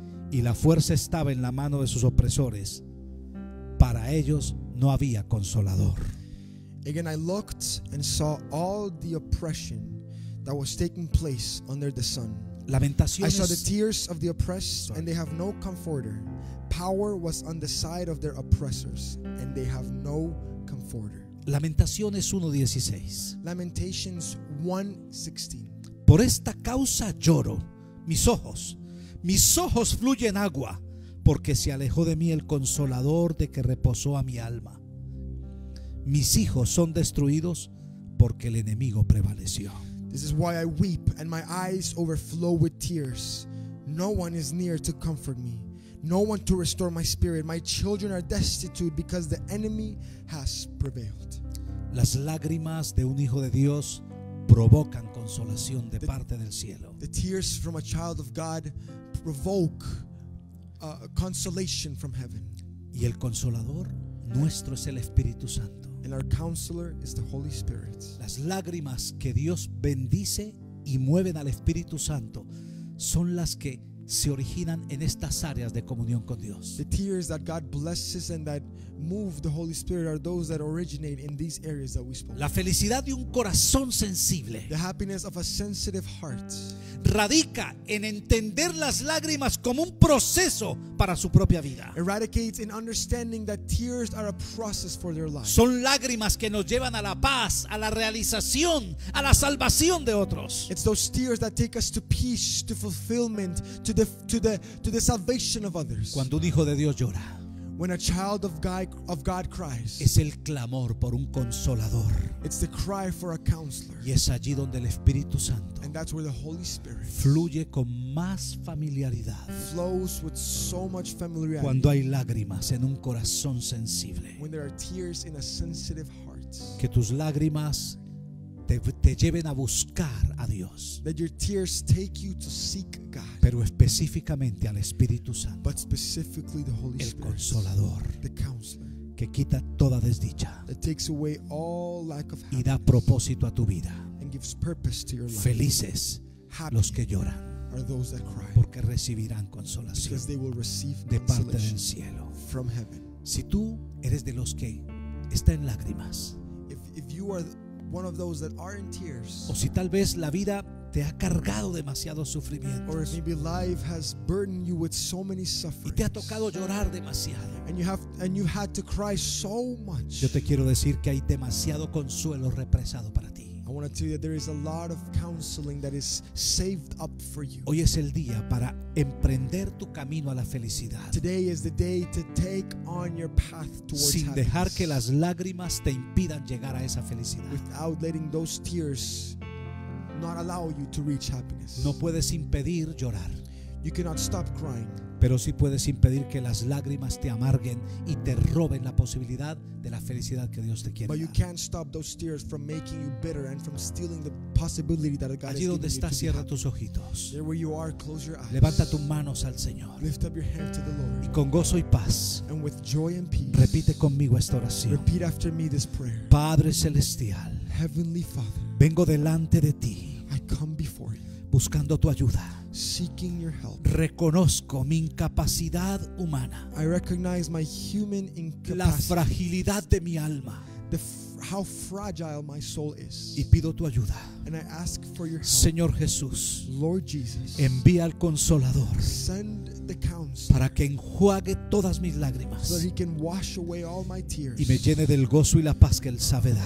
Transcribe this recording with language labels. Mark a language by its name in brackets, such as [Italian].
[Spanish] Y la fuerza estaba en la mano de sus opresores. Para ellos no había consolador. [English] Again I looked and saw all the oppression that was taking place under the sun. [Spanish] Lamentaciones. [English] I saw the tears of the oppressed, and they have no comforter. Power was on the side of their oppressors, and they have no comforter. [Spanish] Lamentaciones 1:16. [English] Lamentations 1:16. [Spanish] Por esta causa lloro, mis ojos fluyen agua, porque se alejó de mí el consolador de que reposó a mi alma. Mis hijos son destruidos porque el enemigo prevaleció. [English] This is why I weep and my eyes overflow with tears. No one is near to comfort me. No one to restore my spirit. My children are destitute because the enemy has prevailed. [Spanish] Las lágrimas de un hijo de Dios provocan consolación de parte del cielo. [English] The tears from a child of God provoke consolation from heaven. [Spanish] Y el consolador nuestro es el Espíritu Santo. [English] And our counselor is the Holy Spirit. [Spanish] Las lágrimas que Dios bendice y mueven al Espíritu Santo son las que se originan en estas áreas de comunión con Dios. [English] The tears that God blesses and that move the Holy Spirit are those that originate in these areas that we spoke. [Spanish] La felicidad de un corazón sensible, [English] the happiness of a sensitive heart, [Spanish] radica en entender las lágrimas como un proceso para su propia vida. [English] Eradicates in understanding that tears are a process for their life. [Spanish] Son lágrimas que nos llevan a la paz, a la realización, a la salvación de otros. [English] It's those tears that take us to peace, to fulfillment, to the salvation of others. [Spanish] Cuando un hijo de Dios llora, [English] when a child of God cries, [Spanish] es el clamor por un consolador. [English] It's the cry for a counselor. [Spanish] Y es allí donde el Espíritu Santo, [English] and that's where the Holy Spirit, [Spanish] fluye con más familiaridad. [English] Flows with so much familiarity. [Spanish] Cuando hay lágrimas en un corazón sensible, [English] when there are tears in a sensitive heart, [Spanish] que tus lágrimas te lleven a buscar a Dios. [English] That your tears take you to seek God. [Spanish] Pero específicamente al Espíritu Santo. [English] But specifically the Holy [Spanish] el [English] Spirit. [Spanish] El consolador. [English] The counselor. [Spanish] Que quita toda desdicha. [English] That takes away all lack of happiness. [Spanish] Y da propósito a tu vida. [English] And gives purpose to your life. [Spanish] Felices [English] happy [Spanish] los que lloran. [English] Are those that cry. [Spanish] Porque recibirán consolación. [English] Because they will receive [Spanish] de parte del cielo. [English] From heaven. [Spanish] Si tú eres de los que está en lágrimas. [English] If you are one of those that are in tears, [Spanish] o si tal vez la vida te ha cargado demasiado sufrimiento, [English] or if maybe life has burdened you with so many sufferings, [Spanish] y te ha tocado llorar demasiado, [English] and you've had to cry so much, [Spanish] yo te quiero decir que hay demasiado consuelo represado para ti. [English] I want to tell you that there is a lot of counseling that is saved up for you. [Spanish] Hoy es el día para emprender tu camino a la felicidad. [English] Today is the day to take on your path towards happiness. [Spanish] Sin dejar que las lágrimas te impidan llegar a esa felicidad. [English] Without letting those tears not allow you to reach happiness. [Spanish] No puedes impedir llorar. [English] You cannot stop crying. [Spanish] Pero sí puedes impedir que las lágrimas te amarguen y te roben la posibilidad de la felicidad que Dios te quiere dar. [English] But you can't stop those tears from making you bitter and from stealing the possibility that God has given you. [Spanish] Allí donde estás, cierra tus ojitos. [English] There where you are, close your eyes. [Spanish] Levanta tus manos al Señor. [English] Lift up your hand to the Lord. [Spanish] Y con gozo y paz. [English] And with joy and peace. [Spanish] Repite conmigo esta oración. [English] Repeat after me this prayer. [Spanish] Padre celestial. [English] Heavenly Father. [Spanish] Vengo delante de ti. [English] I come before you. [Spanish] Buscando tu ayuda. [English] Seeking your help. [Spanish] Reconozco mi incapacidad humana. [English] I recognize my human incapacity. [Spanish] La fragilidad de mi alma. [English] How fragile my soul is. [Spanish] Y pido tu ayuda. [English] And I ask for your help. [Spanish] Señor Jesús. [English] Lord Jesus. [Spanish] Envía al consolador. [English] Send the counselor. [Spanish] Para que enjuague todas mis lágrimas. [English] So that he can wash away all my tears. [Spanish] Y me llene del gozo y la paz que él sabe dar.